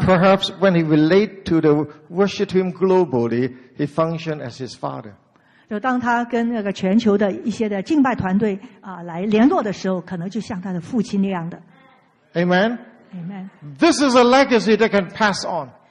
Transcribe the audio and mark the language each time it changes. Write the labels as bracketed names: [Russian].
[English] Perhaps when he relate to the worship him globally, he functioned as his father. [Chinese] 就当他跟那个全球的一些的敬拜团队来联络的时候，可能就像他的父亲那样的。Amen. [English] Amen. This is a legacy that can pass on.